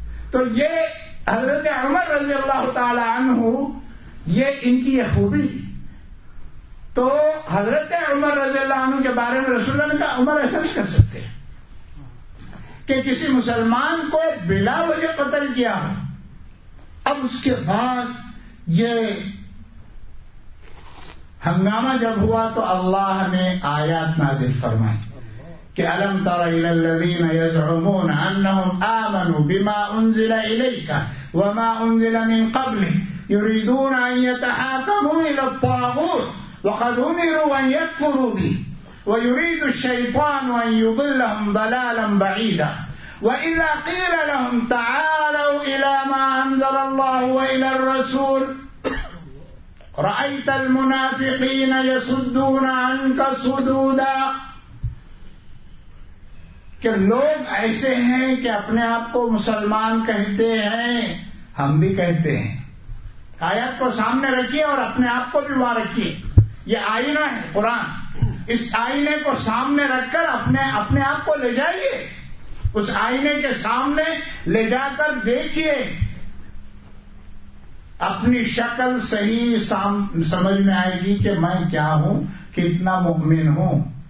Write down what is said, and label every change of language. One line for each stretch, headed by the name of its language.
Urdu: تو یہ حضرت عمر رضی اللہ تعالی عنہ, یہ ان کی یہ خوبی. تو حضرت عمر رضی اللہ عنہ کے بارے میں رسول اللہ نے کہا عمر ایسا نہیں کر سکتے کہ کسی مسلمان کو بلا وجہ قتل کیا. اب اس کے بعد یہ ہنگامہ جب ہوا تو اللہ نے آیات نازل فرمائی کہ
Arabic: الم تر الى الذين يزعمون انهم امنوا بما انزل اليك وما انزل من قبل يريدون ان يتحاكموا الى الطاغوت وقد امروا ان يكفروا به ويريد الشيطان ان يضلهم ضلالا بعيدا واذا قيل لهم تعالوا الى ما انزل الله والى الرسول رايت المنافقين يصدون عنك صدودا.
Urdu: کہ لوگ ایسے ہیں کہ اپنے آپ کو مسلمان کہتے ہیں, ہم بھی کہتے ہیں. آیت کو سامنے رکھیے اور اپنے آپ کو بھی وہاں رکھیے. یہ آئینہ ہے قرآن, اس آئینے کو سامنے رکھ کر اپنے آپ کو لے جائیے, اس آئینے کے سامنے لے جا کر دیکھیے اپنی شکل صحیح سمجھ میں آئے گی کہ میں کیا ہوں, کتنا مؤمن ہوں.